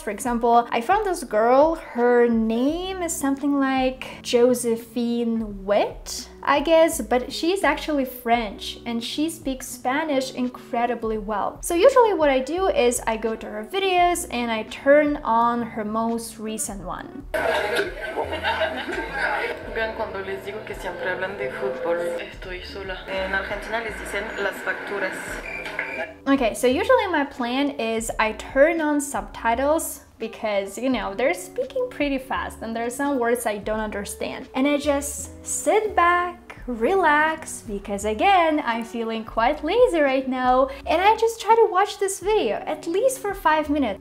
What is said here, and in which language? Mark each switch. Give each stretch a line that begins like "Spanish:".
English: For example, I found this girl, her name is something like Josephine Witt, I guess, but she's actually French and she speaks Spanish incredibly well. So usually what I do is I go to her videos and I turn on her most recent one.
Spanish: Vean cuando les digo que siempre hablan de fútbol, estoy sola. En Argentina les dicen las facturas.
English: Okay, so usually my plan is I turn on subtitles because, you know, they're speaking pretty fast and there are some words I don't understand. And I just sit back, relax, because again, I'm feeling quite lazy right now, and I just try to watch this video, at least for 5 minutes.